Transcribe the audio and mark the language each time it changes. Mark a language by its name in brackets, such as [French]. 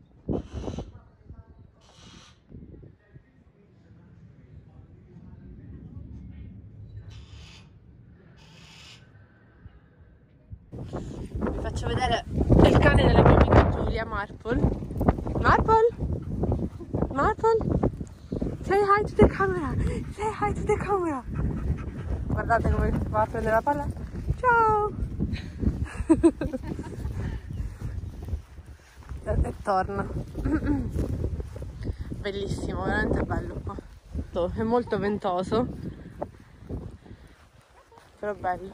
[Italian] Vi faccio vedere il cane della mia amica Giulia, Marple. [English] Marple, say hi to the camera, say hi to the camera. [Italian] Guardate come va a prendere la palla. Ciao! E torna. Bellissimo, veramente bello qua. È molto ventoso, però bello.